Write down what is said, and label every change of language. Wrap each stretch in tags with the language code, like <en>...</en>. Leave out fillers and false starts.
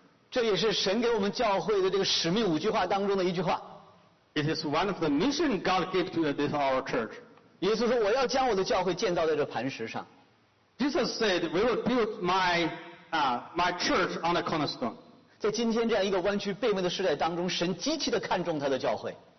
<zh>这也是神给我们教会的这个使命五句话当中的一句话。</zh> <en>It is one of the mission God gave to this our church.</en> <zh>耶稣说我要将我的教会建造在这磐石上。</zh> <en>Jesus said, "We will build my church on the cornerstone."</en> <zh>在今天这样一个弯曲背背的时代当中，神极其的看重他的教会。</zh>